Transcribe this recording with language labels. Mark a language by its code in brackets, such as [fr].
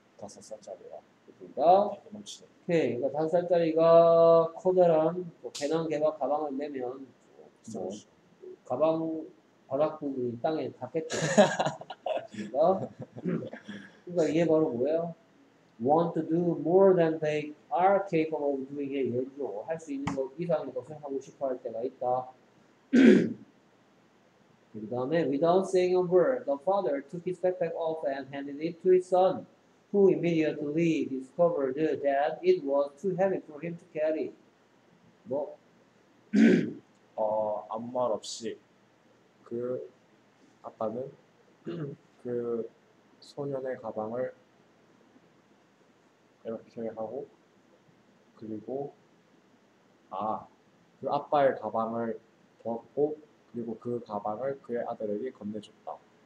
[ko] 다섯 살짜리가. 그러니까 다섯 살짜리가 커다란 배낭개와 가방을 내면 뭐 가방 바닥 부분이 땅에 닿겠죠. 그러니까 이게 바로 뭐예요? [en] Want to do more than they are capable of doing [ko] 의 예죠. 할 수 있는 것 이상의 것을 하고 싶어 할 때가 있다. 그 다음에 [en] without saying a word, the father took his backpack off and handed it to his son, who immediately discovered that it was too heavy for him to carry. [ko] 뭐? 아무 말 없이 그 아빠는 그 소년의 가방을 이렇게 하고 그리고 그 아빠의 가방을 벗고 그리고 그 가방을 그의 아들에게 건네줬다.